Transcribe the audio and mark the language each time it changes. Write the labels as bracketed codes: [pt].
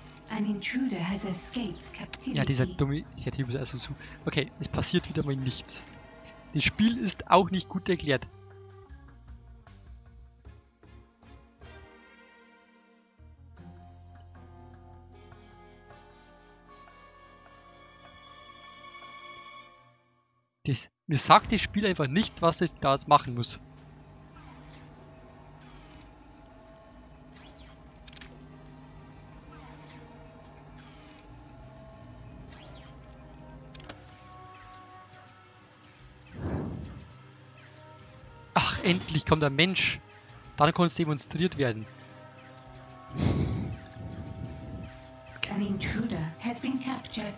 [en] An intruder has escaped captivity. [de] Ja, dieser dumme... Ich hätte hier also zu. Okay, es passiert wieder mal nichts. Das Spiel ist auch nicht gut erklärt. Das, mir sagt das Spiel einfach nicht, was es da jetzt machen muss. Ach, endlich kommt der Mensch. Dann kann es demonstriert werden. [en] An intruder has been captured.